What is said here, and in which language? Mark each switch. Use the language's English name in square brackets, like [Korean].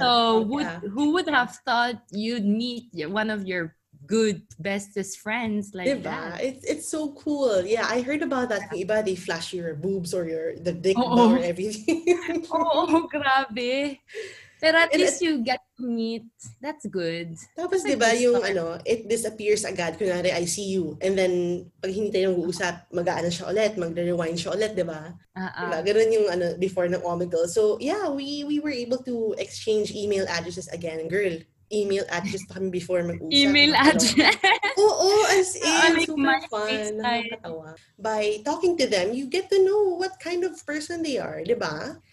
[English] So who would have thought you'd meet one of your good bestest friends like diba? That? It's so cool. Yeah, I heard about that. Yeah. Iba, they flash your boobs or the dick or everything. [Filipino] Oh, grabe. [English] But at least you get to meet. That's good. [Filipino] Tapos, di ba, yung ano, [English] it disappears [Filipino] agad. Kunwari, [English] I see you. [Filipino] And then, pag hindi tayong uusap, mag-aano siya ulit, mag-rewind siya ulit, di ba? Diba? Ganun yung ano, before ng Omegle. [English] So, yeah, we were able to exchange email addresses again. [Filipino] Girl, email address pa kami before mag-uusap. [English] Email address? Oo, as in. Super fun. Nakakatawa. By talking to them, you get to know what kind of person they are, di ba?